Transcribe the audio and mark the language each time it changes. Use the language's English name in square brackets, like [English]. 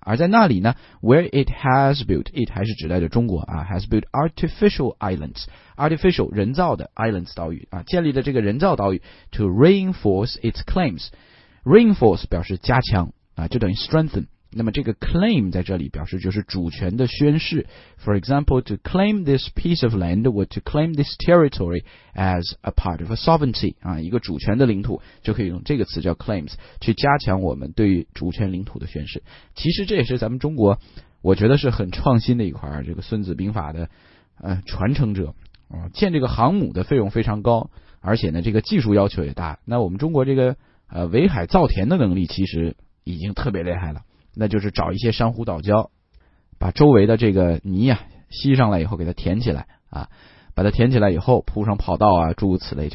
[Chinese] 而在那里呢 ， [English] where it has built， [Chinese] it 还是指代着中国啊 ， [English] has built artificial islands， [Chinese] artificial 人造的 islands 岛屿啊，建立了这个人造岛屿 [English] to reinforce its claims， [Chinese] reinforce 表示加强啊，就等于 strengthen。那么这个 claim 在这里表示就是主权的宣誓。 [English] For example, to claim this piece of land or to claim this territory as a part of a sovereignty 啊， [Chinese] 一个主权的领土就可以用这个词叫 [English] claims [Chinese] 去加强我们对于主权领土的宣誓。其实这也是咱们中国我觉得是很创新的一块，这个孙子兵法的传承者啊，建这个航母的费用非常高，而且呢这个技术要求也大，那我们中国这个围海造田的能力其实已经特别厉害了，那就是找一些珊瑚岛礁，把周围的这个泥啊吸上来以后给它填起来啊，把它填起来以后铺上跑道啊，诸如此类。